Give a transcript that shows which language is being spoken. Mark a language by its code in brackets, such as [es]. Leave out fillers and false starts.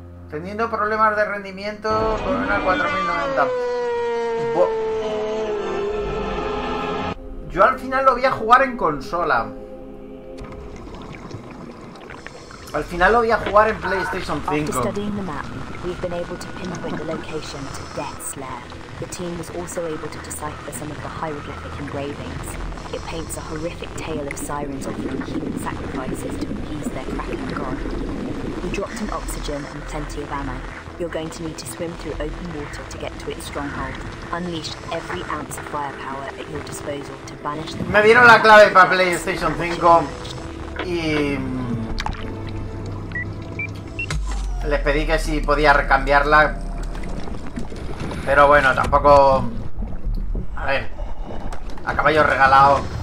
[es] Teniendo problemas de rendimiento con una 4090. Yo al final lo voy a jugar en consola. Al final lo voy a jugar en PlayStation 5. [en] After studying the map, we've been able to pinpoint the location to Death's Lair. The team was also able to decipher some of the hieroglyphic engravings. It paints a horrific tale of sirens offering human sacrifices to appease their cracking god. We dropped some oxygen and plenty of ammo. You're going to need to swim through open water to get to its stronghold. Unleash every ounce of firepower at your disposal to banish the. [es] Me dieron la clave para PlayStation 5 y les pedí que si podía recambiarla. Pero bueno, tampoco. A ver. A caballo regalado.